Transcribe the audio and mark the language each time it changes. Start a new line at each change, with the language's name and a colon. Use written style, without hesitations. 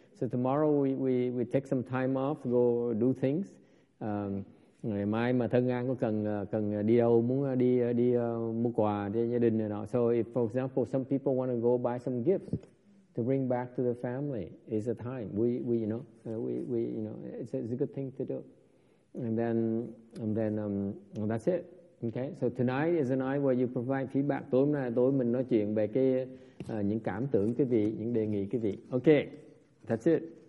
English: So tomorrow we take some time off to go do things.
Vietnamese: Ngày mai mà thân An có cần đi đâu, muốn đi mua quà cho gia đình này nọ.
English: So if, for example, some people want to go buy some gifts to bring back to the family, is a time we it's a good thing to do, and then that's it. Okay, so tonight is a night where you provide feedback.
Vietnamese: Tối nay tối mình nói chuyện về cái những cảm tưởng quý vị, những đề nghị quý vị.
English: Okay, that's it.